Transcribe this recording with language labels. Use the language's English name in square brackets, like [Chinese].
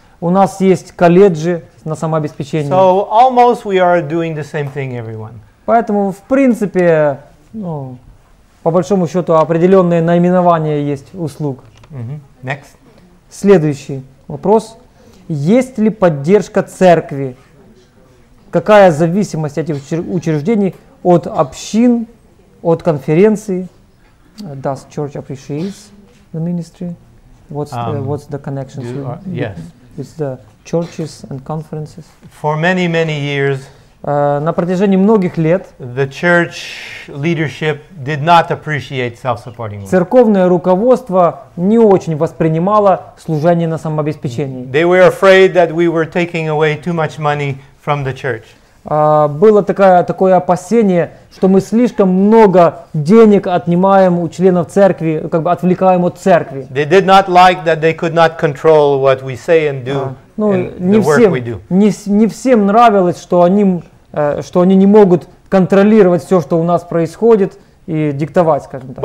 [Russian] У нас есть колледжи на самообеспечение. [English] So almost we are doing the same thing, everyone. [Russian] Поэтому, в принципе, по большому счету, определенные наименования есть услуг. [English] Mm-hmm. Next. [Russian] Следующий вопрос. Есть ли поддержка церкви? Какая зависимость этих учреждений от общин, от конференции? [English] Does church appreciate the ministry? What's the connection yes. with the churches and conferences? For many, many years, [Russian] На протяжении многих лет [English] the church leadership did not appreciate self-supporting work. [Russian] Церковное руководство не очень воспринимало служение на самообеспечении. [English] They were afraid that we were taking away too much money from the church. [Russian] Было такое опасение, что мы слишком много денег отнимаем у членов церкви, как бы отвлекаем от церкви. [English] They did not like that they could not control what we say and do. [Russian] Ну, не всем нравилось, что они не могут контролировать все, что у нас происходит, и диктовать, скажем так.